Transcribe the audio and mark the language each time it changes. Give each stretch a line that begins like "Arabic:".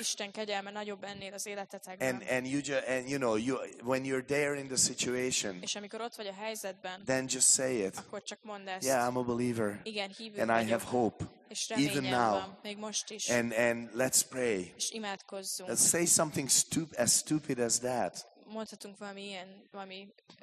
Hungarian: Isten kegyelme nagyobb ennél az életetekben.
English: And you when you're there in the situation.
Hungarian: És amikor ott vagy a helyzetben.
English: Then just say it.
Hungarian: Akkor csak mondd ezt.
English: Yeah, I'm a believer.
Hungarian: Igen, hívő
English: and
Hungarian: vagyok.
English: I have hope. Even now, and let's pray. Let's say something stupid as that.
Hungarian: Mondhatunk valami ilyen, valami,